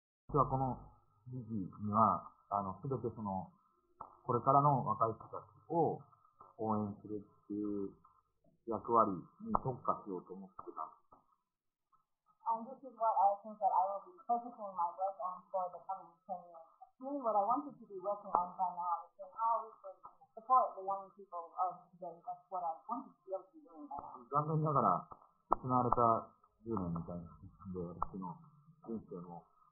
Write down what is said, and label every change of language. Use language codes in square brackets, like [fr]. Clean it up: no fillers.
[ja] 実はこの時期には、すべてその、これからの若い人たちを応援するっていう役割に特化しようと思ってた。 [en] And this is what I think that I will be focusing my work on for the coming 10 years. Really, what I wanted to be working on by now is how we can support the young people of today. That's what I wanted to be able to be doing by now. [ja] 残念ながら、失われた10年みたいなで、私の人生も。